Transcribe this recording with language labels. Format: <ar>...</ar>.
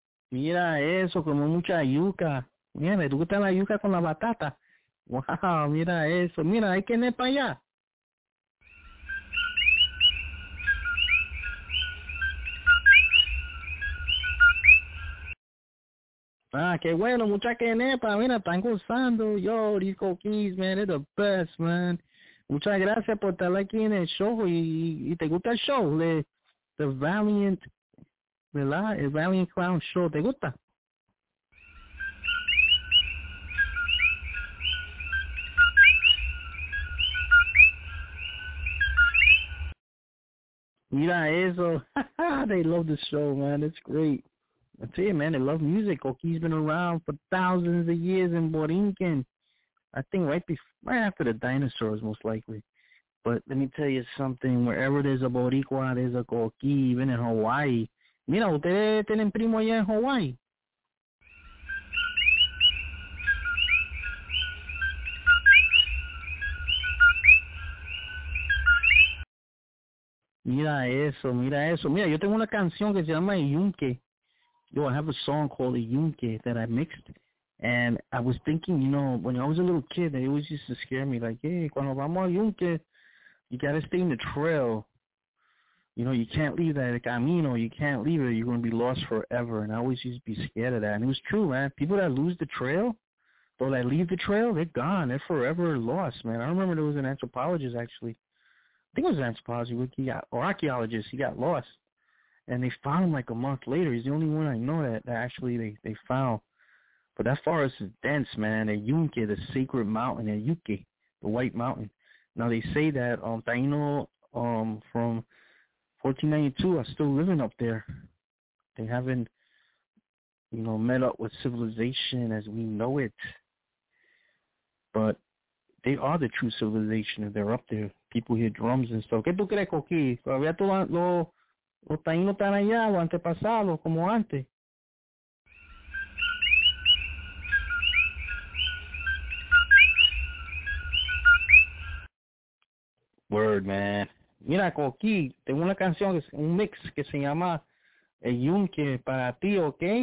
<es>Mira eso, como mucha yuca. Mira, ¿te gusta la yuca con la batata? Wow, mira eso. Mira, hay que ir para allá. Ah, qué bueno, mucha quenepa, mira, están gozando.</es> <en>Yo, Rico Keys, man, it's the best, man.</en> <es>Muchas gracias por estar aquí en el show y te gusta el show, the Valiant, ¿verdad? El Valiant Clown Show, ¿te gusta? Mira eso,</es> <en>they love the show, man, it's great. I tell you, man, they love music. Coqui's been around for thousands of years in Borinquen. I think right after the dinosaurs, most likely. But let me tell you something. Wherever there's a Boricua, there's a Coqui, even in Hawaii.</en> <es>Mira, ustedes tienen primo allá en Hawaii. Mira eso, mira eso. Mira, yo tengo una canción que se llama Yunque.</es> <en>Yo, I have a song called the Yunque that I mixed, and I was thinking, you know, when I was a little kid, they always used to scare me, like, hey,</en> <es>cuando vamos a Yunque,</es> <en>you got to stay in the trail, you know, you can't leave that camino, you can't leave it, you're going to be lost forever, and I always used to be scared of that, and it was true, man, people that lose the trail, though that leave the trail, they're gone, they're forever lost, man. I remember there was an anthropologist, actually, I think it was an anthropologist, or archaeologist, he got lost. And they found him like a month later. He's the only one I know that actually they found. But that forest is dense, man. The Yunque, the sacred mountain, the Yunque, the white mountain. Now they say that Taino from 1492 are still living up there. They haven't, you know, met up with civilization as we know it. But they are the true civilization. If they're up there. People hear drums and stuff.</en> <es>¿Qué tú crees, Coqui? Todavía tú lo... Los taínos están allá, o antepasados, como antes.</es> <en>Word, man.</en> <es>Mira, Coqui, tengo una canción, un mix que se llama El Yunque para ti, ¿ok?</es>